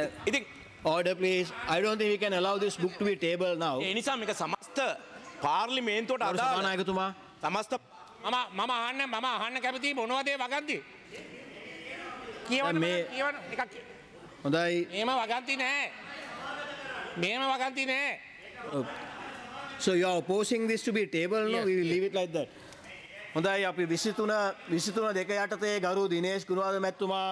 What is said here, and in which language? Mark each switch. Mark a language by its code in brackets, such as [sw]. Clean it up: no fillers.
[en] ඉතින් order please, I don't think we can allow this book to be tabled now. [si] ඒ නිසා මේක සමස්ත පාර්ලිමේන්තුවට අදාළ සභානායකතුමා සමස්ත මම අහන්න කැමති මොනවද ඒ වගන්ති කියවන්න එකක් හොඳයි. මේම වගන්ති නෑ. [en] So you are opposing this to be tabled? No, yes. We will leave it like that. [si] හොඳයි, අපි 23 දෙක යටතේ ගරු දිනේෂ් ගුණවද මැතිතුමා